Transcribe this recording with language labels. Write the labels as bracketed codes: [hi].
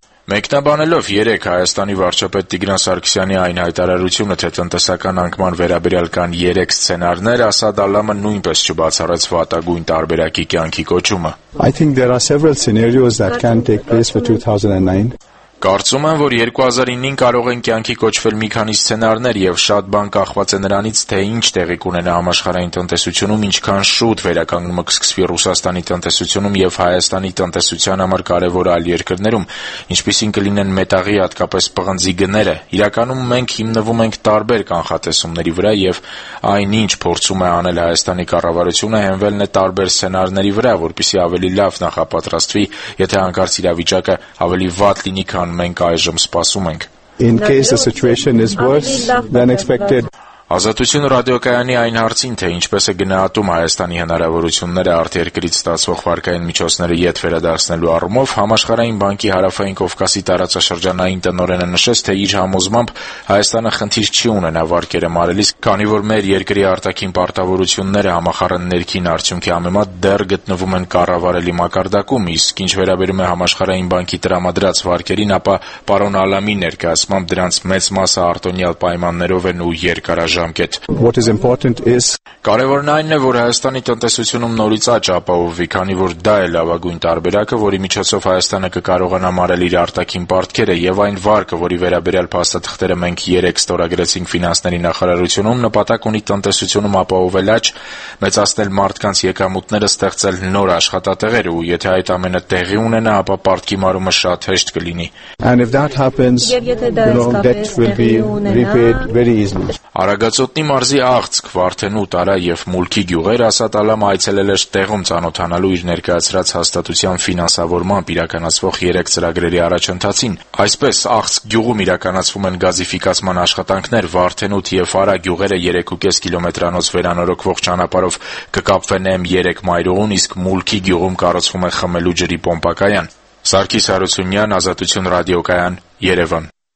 [hy] Մեկնաբանելով 3 Հայաստանի վարչապետ Տիգրան Սարգսյանի այն հայտարարությունը, թե տնտեսական անկման վերաբերյալ կան 3 սցենարներ, Ասադ Ալամը նույնպես չբացառեց վատագույն տարբերակի կյանքի կոչումը։ [en] I think there are several scenarios that can take place for 2009. [hy] Կարծում եմ, որ 2009-ին կարող են կյանքի կոչվել մի քանի սցենարներ եւ շատ բան կախված է նրանից, թե ինչ տեղի կունենա համաշխարհային տնտեսությունում, ինչքան շուտ վերականգնումը կսկսվի Ռուսաստանի տնտեսությունում եւ Հայաստանի տնտեսության համար կարեւոր այլ երկրներում, ինչպիսին կլինեն մետաղի, հատկապես պղնձի գները։ Իրականում մենք հիմնվում ենք տարբեր կանխատեսումների վրա եւ այնինչ փորձում է անել Հայաստանի կառավարությունը հենվելն է տարբեր սցենարների վրա, որպեսզի ավելի լավ նախապատրաստվի, եթե հանկարծ իրավիճակը ավելի վատ լինի, քան մենք այժմ սպասում ենք. [en] In case the situation is worse than expected. [hy] Ազատություն ռադիոկայանի այն հարցին, թե ինչպես է գնահատում Հայաստանի հնարավորությունները արտերկրից ստացվող վարկային միջոցները ետ վերադարձնելու առումով, Համաշխարհային բանկի հարավային Կովկասի տարածաշրջանային տնօրենը նշեց, թե իր համոզմամբ Հայաստանը խնդիր չի ունենա վարկերը մարելիս, քանի որ մեր երկրի արտաքին պարտավորությունները համախառն ներքին արդյունքի համեմատ դեռ գտնվում են կառավարելի մակարդակում, իսկ ինչ վերաբերում է Համաշխարհային բանկի տրամադրած վարկերին, ապա պարոն Ալամի ներկայացմամբ դրանց մեծ մասը արտոնյալ պայմաններով են ու երկարաժամկետ. [en] What is important is [hy] Կարևորն այն է, որ Հայաստանի տնտեսությունում նորից աճ ապահովվի, քանի որ դա է լավագույն տարբերակը, որի միջոցով Հայաստանը կկարողանա մարել իր արտաքին պարտքերը, եւ այն վարկը, որի վերաբերյալ փաստաթղթերը մենք 3 ստորագրեցինք ֆինանսների նախարարությունում, նպատակ ունի տնտեսությունում ապահովել աճ, մեծացնել մարդկանց եկամուտները, ստեղծել նոր աշխատատեղեր, ու եթե այդ ամենը տեղի ունենա, ապա պարտքի մարումը շատ հեշտ կլինի։ [en] And if that happens, debt will be repaid very easily. [hy] Արագածոտնի մարզի աղցք, Վարդենուտ, Արա և Մուլքի գյուղեր Ասատ Ալամը այցելել էր տեղում ծանոթանալու իր ներկայացրած հաստատության ֆինանսավորմամբ իրականացվող 3 ծրագրերի առաջընթացին։ Այսպես աղցք գյուղում իրականացվում են գազիֆիկացման աշխատանքներ, Վարդենուտ և Արա գյուղերը 3.5 կիլոմետրանոց վերանորոգվող ճանապարով կկապվեն M3 մայրուղուն, իսկ Մուլքի գյուղում կառուցվում է խմելու ջրի պոմպակայան։ Սարգիս Հարությունյան, Ազատություն ռադիոկայան, Երևան։